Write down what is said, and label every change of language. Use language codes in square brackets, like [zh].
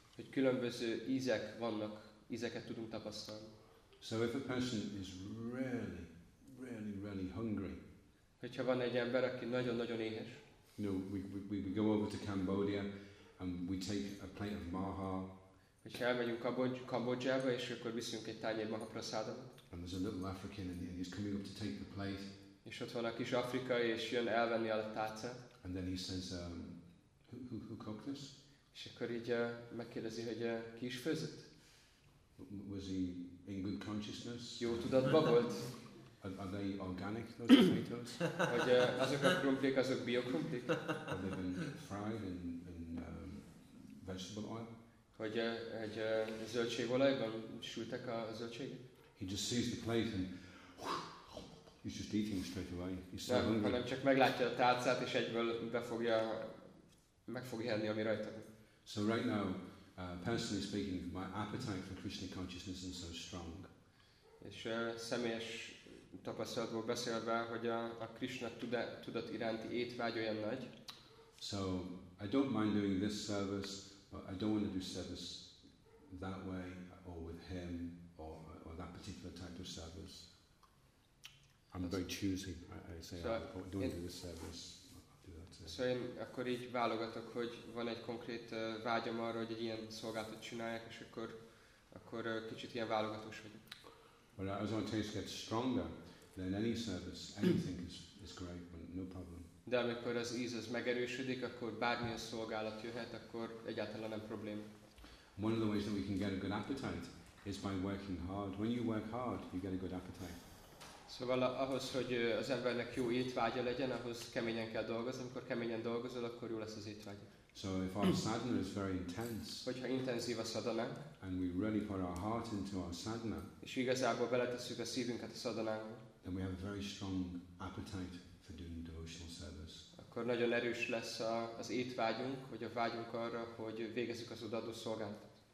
[hu] Hogy különböző ízek vannak, ízeket tudunk tapasztalni. [en] So if a person is really, really, really hungry. [hu] Hogyha van egy ember, aki nagyon-nagyon éhes. [en] No, we go over to Cambodia and we take a plate of maha. [hu] Hogyha elmegyünk Kambodzsába, és akkor viszünk egy tányér maha prasádot. [en] And there's a little African and he's coming up to take the plate. [hu] És ott van a kis afrikai, és jön elvenni a tálcát. [en] And then he says, who cooked this? [hu] És akkor így megkérdezi, hogy ki is főzött? [en] Was he in good consciousness? [hu] Jó tudatban volt? [en] Are they organic, those potatoes? [hu] Hogy azok a krumplik, azok biokrumplik? [en] Have they been fried in vegetable oil? [hu] Hogy egy zöldségolajban sültek a zöldségek? [en] He just sees the plate and he's just eating straight away. He's so hungry. [hu] Hanem csak meglátja a tálcát, és egyből meg fogja enni, ami rajta. [en] So right now, personally speaking, my appetite for Krishna consciousness is so strong. [hu] És személyes tapasztalatból beszélve, hogy a Krishna tudat iránti étvágy olyan nagy. [en] So I don't mind doing this service, but I don't want to do service that way or with him or that particular type of service. I'm very choosy. I don't do this service. [hu] So én akkor így válogatok, hogy van egy konkrét vágyam arra, hogy egy ilyen szolgálatot csinálják, és akkor kicsit ilyen válogatós vagyok. [en] Well, as our taste gets stronger, then any service, anything is great, but no problem. [hu] De amikor az íz az megerősödik, akkor bármilyen szolgálat jöhet, akkor egyáltalán nem probléma. [en] One of the ways that we can get a good appetite is by working hard. When you work hard, you get a good appetite. [hu] Szóval ahhoz, hogy az embernek jó étvágya legyen, ahhoz keményen kell dolgozni, amikor keményen dolgozol, akkor jó lesz az étvágya. [en] So if our sadhana is very intense, [hu] hogyha intenzív a szadhanánk, [en] and we really put our heart into our sadhana, [hu] és igazából beletesszük a szívünket a szadhanánkba, [en] then we have a very strong appetite for doing devotional service. [hu] Akkor nagyon erős lesz az étvágyunk, vagy a vágyunk arra, hogy végezzük az odaadó szolgálatot.